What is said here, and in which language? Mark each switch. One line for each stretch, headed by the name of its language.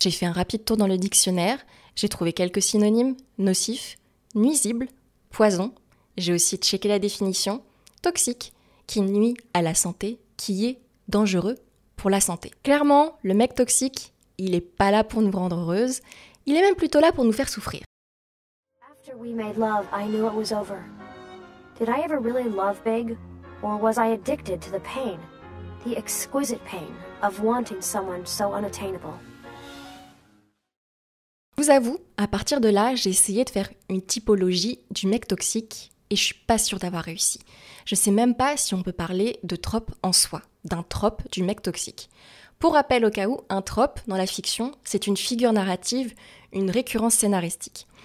French: J'ai fait un rapide tour dans le dictionnaire, j'ai trouvé quelques synonymes, nocif, nuisible, poison, j'ai aussi checké la définition, toxique, qui nuit à la santé, qui est dangereux pour la santé. Clairement, le mec toxique, il est pas là pour nous rendre heureuses, il est même plutôt là pour nous faire souffrir.
English: After we made love, I knew it was over. Did I ever really love big? Or was I addicted to the pain? The exquisite pain of wanting someone so unattainable.
French: Je vous avoue, à partir de là, j'ai essayé de faire une typologie du mec toxique et je suis pas sûre d'avoir réussi. Je sais même pas si on peut parler de trope en soi, d'un trope du mec toxique. Pour rappel au cas où, un trope, dans la fiction, c'est une figure narrative, une récurrence scénaristique.